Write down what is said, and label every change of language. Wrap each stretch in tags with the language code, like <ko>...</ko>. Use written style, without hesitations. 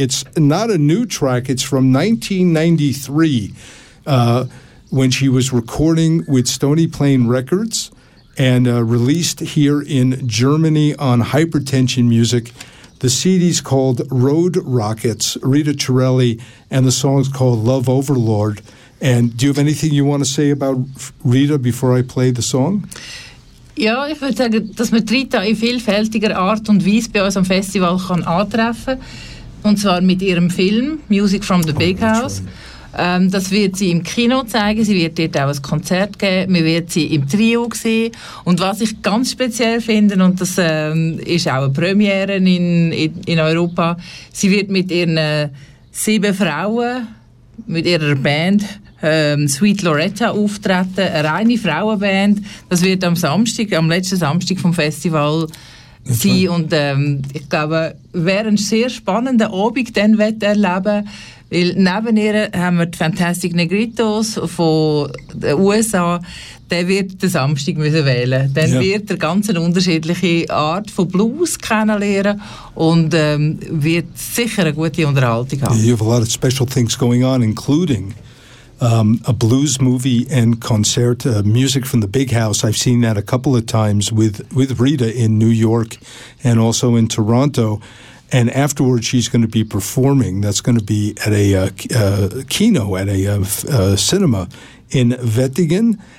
<en>It's not a new track. It's from 1993 when she was recording with Stony Plain Records and released here in Germany on Hypertension Music. The CD's called Road Rockets, Rita Chiarelli, and the song's called Love Overlord. And do you have anything you want to say about Rita before I play the song?</en> <de>Ja, ich würde sagen, dass man Rita in vielfältiger Art und Weise bei uns am Festival kann antreffen kann. Und zwar mit ihrem Film Music from the Big House. Das wird sie im Kino zeigen, sie wird dort auch ein Konzert geben, man wird sie im Trio sehen. Und was ich ganz speziell finde, und das ist auch eine Premiere in Europa, sie wird mit ihren sieben Frauen, mit ihrer Band, Sweet Loretta auftreten, eine reine Frauenband. Das wird am Samstag, am letzten Samstag vom Festival sein.</de> <en>Right.</en> <de>Und ich glaube, wäre ein sehr spannender Abend, den wird erleben. Weil neben ihr haben wir die Fantastic Negritos von den USA. Der wird den Samstag müssen wählen. Dann</de> <en>yeah.</en> <de>wird er ganz eine unterschiedliche Art von Blues kennenlernen und wird sicher eine gute Unterhaltung haben.</de> <en>You have a lot of special things going on, including a blues movie and concert, music from the Big House. I've seen that a couple of times with Rita in New York and also in Toronto. And afterwards, she's going to be performing. That's going to be at a kino at a cinema in Wettingen.</en>